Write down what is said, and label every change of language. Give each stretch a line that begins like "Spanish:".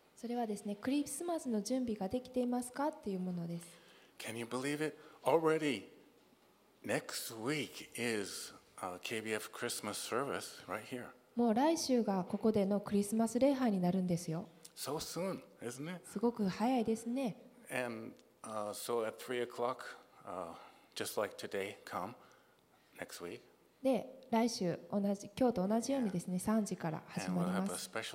Japanese: それはですね、クリスマスの準備ができていますかっていうものです。
English: Can you believe it? Already next week is KBF Christmas service right here.
Japanese: もう来週がここでのクリスマス礼拝になるんですよ。
English: So soon, isn't it?
Japanese: すごく早いですね。
English: And so at 3 o'clock, just like today, come next week.
Japanese: で来週同じ今日と同じようにですね3時から始まります。